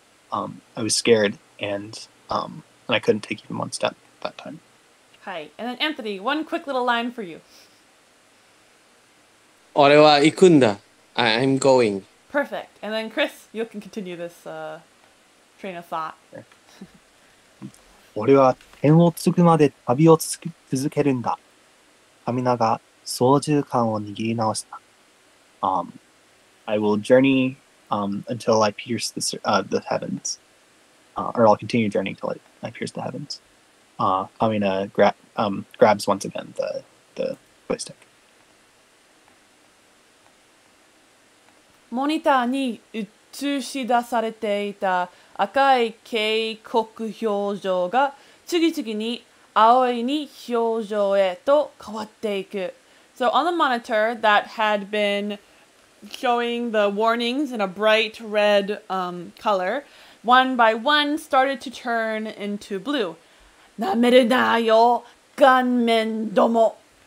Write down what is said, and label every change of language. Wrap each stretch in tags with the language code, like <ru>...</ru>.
<en>I was scared and I couldn't take even one step that time. Hi. And then Anthony, one quick little line for you.</en> <ja>俺は行くんだ。</ja> <en>I'm going. Perfect. And then Chris, you can continue this train of thought.</en> <ja>俺は天をつくまで旅を続けるんだ。カミナが操縦桿を握り直した。</ja> <en>I will journey until I pierce the heavens. Or I'll continue journeying until I pierce the heavens. Kamina grabs once again the joy stick.</en> <ja>モニターに映し出されていた赤い警告表情が次々に青いに表情へと変わっていく。</ja> <en>So on the monitor that had been showing the warnings in a bright red color, one by one started to turn into blue.</en> <ja>なめるなよ、ガンメンども。</ja>